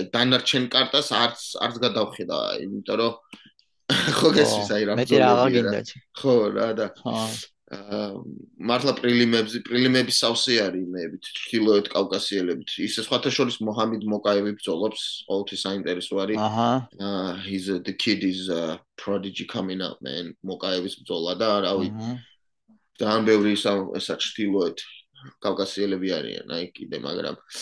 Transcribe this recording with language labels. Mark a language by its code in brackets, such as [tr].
[ka] აი დანარჩენ კარტას არც გადავხედა, იმიტომ რომ ხო გესმის, აი რა ბრძოლა. ხო რა და მართლა პრილიმები სავსე არის იმეებით, ჩრდილოეთ კავკასიელებით. ისე სხვათა შორის მოჰამედ მოკაევი ბრძოლობს, ყოველთვის საინტერესო არის. აჰა. [en] He's the kid is a prodigy coming up, man. [ka] მოკაევის ბრძოლა და რავი. ძალიან ბევრი ესა ჩრდილოეთ კავკასიელები არიან, აი კიდე, მაგრამ